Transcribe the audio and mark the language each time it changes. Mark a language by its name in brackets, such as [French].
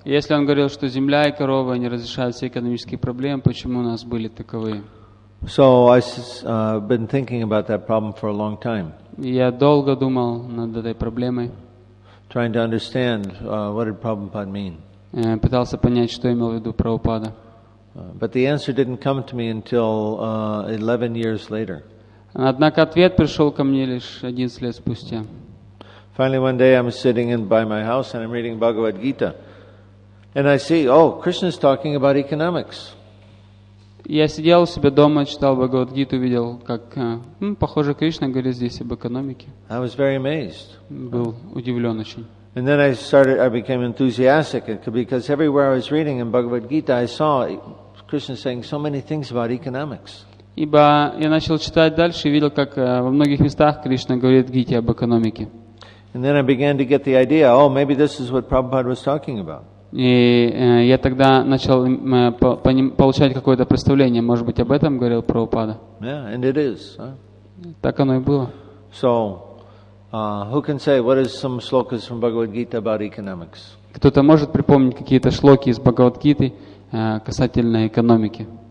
[Russian] Если он говорил, что земля и корова не разрешают все экономические проблемы, почему у нас были таковые? [English] So I've been thinking about that problem for a long time. [Russian] Я долго думал над этой проблемой. [English] Trying to understand what did Prabhupada mean. [Russian] Пытался понять, что имел в виду Прабхупада. [English] But the answer didn't come to me until 11 years later. [Russian] Однако ответ пришел ко мне лишь 11 лет спустя. [English] Finally, one day I'm sitting in by my house and I'm reading Bhagavad Gita, and I see, oh, Krishna's talking about economics. [Russian] Я сидел у себя дома, читал Бхагавад-гиту, видел, как, похоже, Кришна говорит здесь об экономике. [English] I was very amazed. [Russian] Был удивлен очень. [English] And then I became enthusiastic, because everywhere I was reading in Bhagavad-gita, I saw Krishna saying so many things about economics. [Russian] Ибо я начал читать дальше и видел, как во многих местах Кришна говорит в Гите об экономике. [English] And then I began to get the idea, oh, maybe this is what Prabhupada was talking about. [Russian] И я тогда начал получать какое-то представление, может быть, об этом говорил Прабхупада. [English] Yeah, and it is, [Russian] Так оно и было. [English] So, who can say what is some slokas from Bhagavad Gita about economics? [Russian] Кто-то может припомнить какие-то шлоки из Бхагавад-гиты касательно экономики?